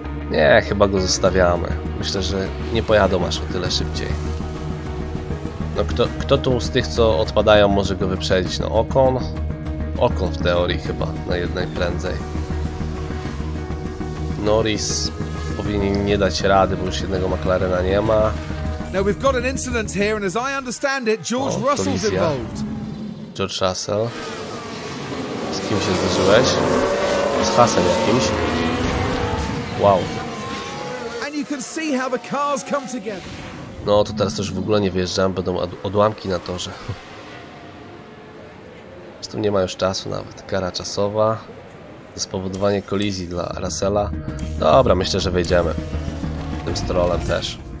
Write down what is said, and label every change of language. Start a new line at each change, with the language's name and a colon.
Polish: Nie, chyba go zostawiamy. Myślę, że nie pojadą aż o tyle szybciej. No kto tu z tych, co odpadają, może go wyprzedzić? No Ocon? Ocon w teorii chyba, na jednej prędzej. Norris powinien nie dać rady, bo już jednego McLarena nie ma.
English: Now we've got an incident here and as I understand it, George Russell's involved.
Polish: George Russell. Z kim się zderzyłeś? Z Hasem jakimś? Wow.
English: And you can see how the cars come together.
Polish: No to teraz już w ogóle nie wyjeżdżam, będą odłamki na torze. Zresztą nie ma już czasu nawet. Kara czasowa. To spowodowanie kolizji dla Russella. Dobra, myślę, że wejdziemy. Tym Strollem też.